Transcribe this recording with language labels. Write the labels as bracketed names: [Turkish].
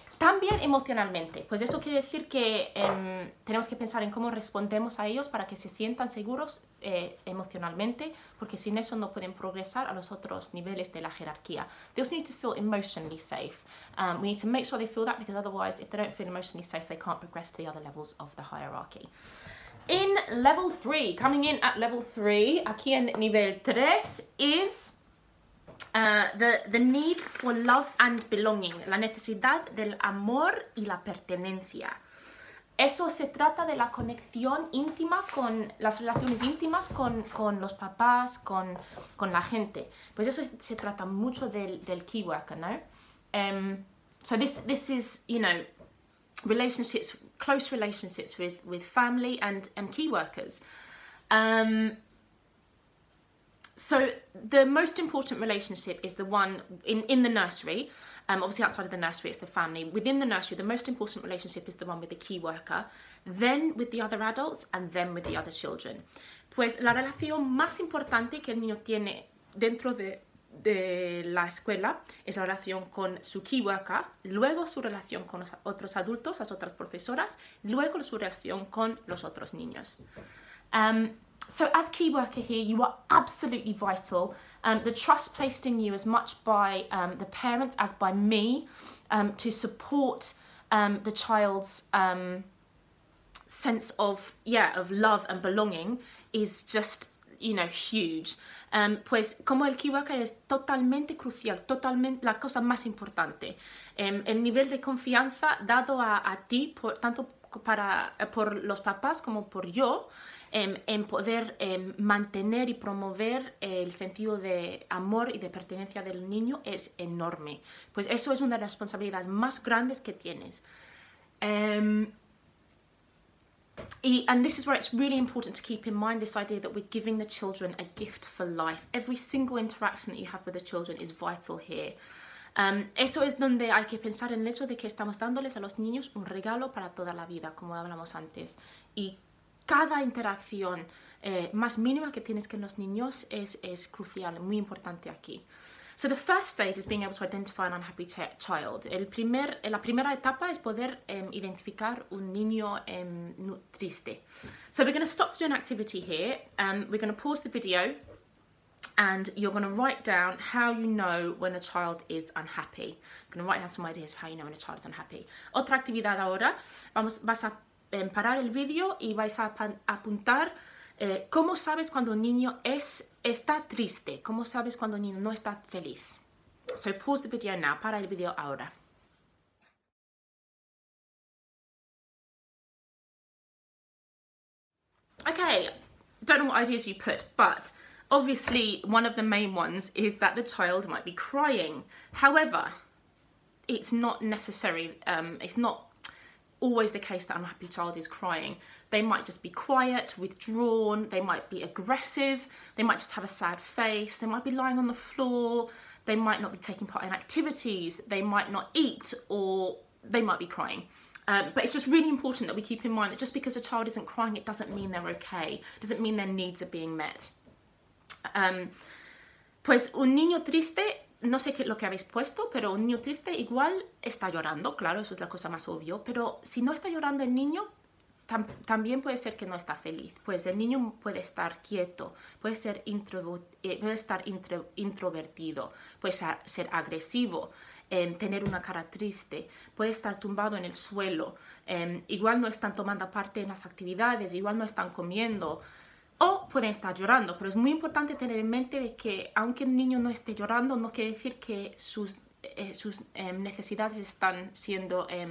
[Spanish] También emocionalmente. Pues eso quiere decir que tenemos que pensar en cómo respondemos a ellos para que se sientan seguros emocionalmente, porque sin eso no pueden progresar a los otros niveles de la jerarquía. [English] They also need to feel emotionally safe. We need to make sure they feel that, because otherwise, if they don't feel emotionally safe, they can't progress to the other levels of the hierarchy. In level 3, coming in at level 3, [Spanish] aquí en nivel 3, [English] is the need for love and belonging, [Spanish] la necesidad del amor y la pertenencia. Eso se trata de la conexión íntima con las relaciones íntimas con los papás, con la gente. Pues eso se trata mucho del key worker, ¿no? [English] So this is, you know, relationships, close relationships with family and key workers. So the most important relationship is the one in the nursery. Obviously outside of the nursery, it's the family. Within the nursery, the most important relationship is the one with the key worker, then with the other adults, and then with the other children. [Spanish] Pues la relación más importante que el niño tiene dentro de la escuela es la relación con su key worker, luego su relación con los otros adultos, las otras profesoras, luego su relación con los otros niños. [English] So as key worker here, you are absolutely vital. The trust placed in you as much by the parents as by me to support the child's sense of, yeah, of love and belonging is just, you know, huge. [Spanish] Pues como el key worker es totalmente crucial, totalmente la cosa más importante. El nivel de confianza dado a ti, por, tanto para, por los papás como por yo, en poder mantener y promover el sentido de amor y de pertenencia del niño es enorme. Pues eso es una de las responsabilidades más grandes que tienes. [English] And this is where it's really important to keep in mind this idea that we're giving the children a gift for life. Every single interaction that you have with the children is vital here. [Spanish] Eso es donde hay que pensar en el hecho de que estamos dándoles a los niños un regalo para toda la vida, como hablamos antes. Y cada interacción más mínima que tienes con los niños es crucial, muy importante aquí. [English] So the first stage is being able to identify an unhappy child. [Spanish] La primera etapa es poder identificar un niño triste. [English] So we're going to stop to do an activity here. We're going to pause the video and you're going to write down how you know when a child is unhappy. I'm going to write down some ideas of how you know when a child is unhappy. [Spanish] Otra actividad ahora. Vas a parar el video y vais a apuntar ¿cómo sabes cuando un niño está triste? ¿Cómo sabes cuando un niño no está feliz? [English] So pause the video now, [Spanish] para el video ahora. [English] Okay, don't know what ideas you put, but obviously one of the main ones is that the child might be crying. However, it's not necessary, it's not always the case that an unhappy child is crying. They might just be quiet, withdrawn, they might be aggressive, they might just have a sad face, they might be lying on the floor, they might not be taking part in activities, they might not eat, or they might be crying. But it's just really important that we keep in mind that just because a child isn't crying, it doesn't mean they're okay, it doesn't mean their needs are being met. [Spanish] Pues un niño triste, no sé qué lo que habéis puesto, pero un niño triste igual está llorando, claro, eso es la cosa más obvio, pero si no está llorando el niño, también puede ser que no está feliz, pues el niño puede estar quieto, puede estar introvertido, puede ser agresivo, tener una cara triste, puede estar tumbado en el suelo, igual no están tomando parte en las actividades, igual no están comiendo, o pueden estar llorando, pero es muy importante tener en mente de que aunque el niño no esté llorando, no quiere decir que sus necesidades están siendo...